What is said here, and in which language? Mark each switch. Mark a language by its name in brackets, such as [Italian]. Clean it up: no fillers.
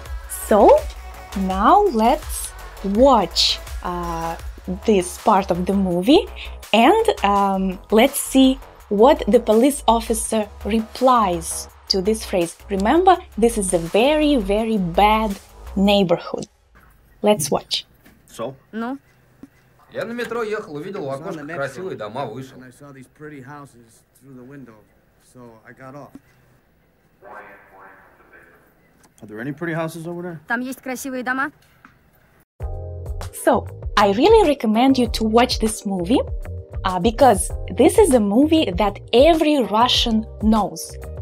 [English] So, now let's watch this part of the movie and let's see what the police officer replies to this phrase. Remember, this is a very, very bad neighborhood. Let's watch. So? No. [Russian] Я на метро ехал, увидел в окошко красивые дома, вышел. [English] I saw these pretty houses through the window, so I got off. Are there any pretty houses over there? [Russian] Там есть красивые дома. [English] So, I really recommend you to watch this movie, because this is a movie that every Russian knows.